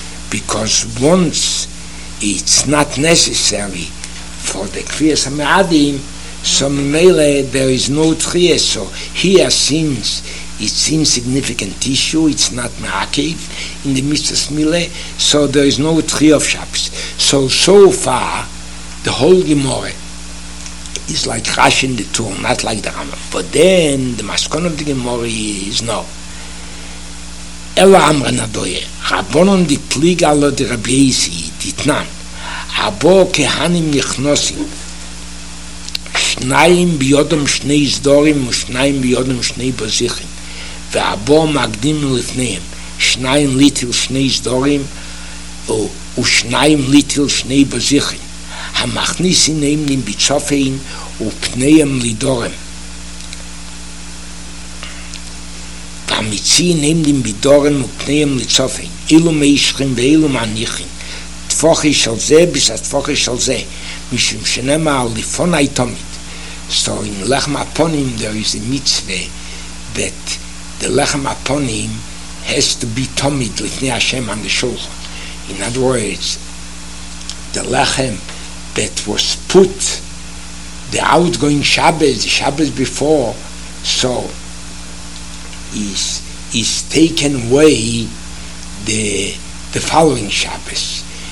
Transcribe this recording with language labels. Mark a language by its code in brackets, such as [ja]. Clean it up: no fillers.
[en] Because once it's not necessary for the Kfir Samadim, so mele, there is no tree, so here since it's insignificant issue, it's not ma'akev in the Mitzvah Mele, so there is no tree of Shabbos. So far, the whole Gemara is like Rashi in the Torah, not like the Rambam. But then the maskon of the Gemara is no. [arc] Ela amra nadoye, Rabbonon di pliga lo di Rabbi Yisi, ditnan, [he] abo kehanim nichnosim, שניים ביודם שני סדורים ושניים ביודם שני בזיכים והבו מקדים לפניהם שניים ליטל שני סדורים ושניים ליטל שני בזיכים המכניס עיניים לביצופין ופניהם לדורם והמציא עיניים לביצופין ופניהם לצופין אילו מישכים ואילו מניחים תפוחי של זה בשביל תפוחי של זה משום שנאמר לפון היתומית. [en] So in Lechem Aponim there is a mitzvah that the Lechem Aponim has to be tomid lifnei Hashem on the Shulchan. In other words, the Lechem that was put the outgoing Shabbos, the Shabbos before, so is taken away the following Shabbos.